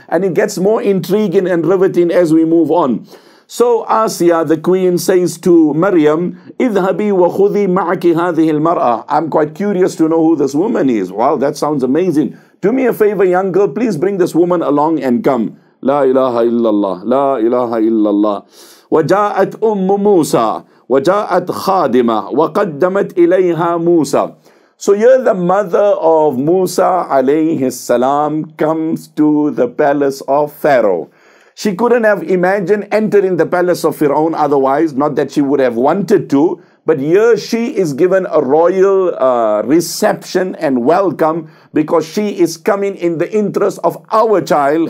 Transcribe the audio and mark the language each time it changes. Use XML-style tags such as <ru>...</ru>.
<en>And it gets more intriguing and riveting as we move on. So Asiya, the queen, says to Maryam,</en> <ar>اذهبي وخذي معك هذه المرأة.</ar> <en>I'm quite curious to know who this woman is. Wow, that sounds amazing. Do me a favor, young girl, please bring this woman along and come.</en> <ar>La ilaha illallah, la ilaha illallah. وجاءت أم موسى وجاءت خادمة وقدمت إليها موسى.</ar> <en>So here the mother of Musa alayhi salam comes to the palace of Pharaoh. She couldn't have imagined entering the palace of Fir'aun otherwise, not that she would have wanted to, But here she is given a royal reception and welcome because she is coming in the interest of our child.</en>